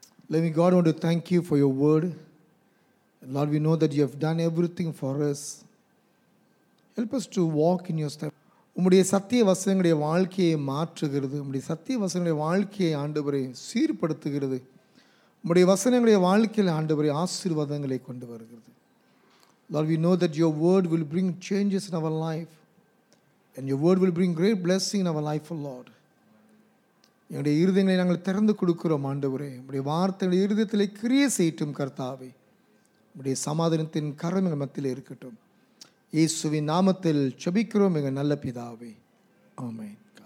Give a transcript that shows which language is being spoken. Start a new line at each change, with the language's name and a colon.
English: Living God, I want to thank you for your word. Lord, we know that you have done everything for us. Help us to walk in your step.
Tamil: உம்முடைய சத்திய வசனங்களுடைய வாழ்க்கையை மாற்றுகிறது. உம்முடைய சத்திய வசனங்களுடைய வாழ்க்கையை ஆண்டவரே சீர்படுத்துகிறது. உம்முடைய வசனங்களுடைய வாழ்க்கையில் ஆண்டவரே ஆசீர்வாதங்களை கொண்டு வருகிறது.
English: Lord, we know that your word will bring changes in our life. And your word will bring great blessing in our life, Lord.
Tamil: எங்களுடைய இருதயங்களை நாங்கள் திறந்து கொடுக்கிறோம் ஆண்டவரே. உம்முடைய வார்த்தைகளை இருதயத்திலே கிரியை செய்யட்டும் கர்த்தாவே. உம்முடைய சமாதானத்தின் கரம் எங்கள் மத்தியில் இருக்கட்டும். இயேசுவின் நாமத்தில் ஜெபிக்கிறோம் எங்கள் நல்ல பிதாவே. ஆமென்.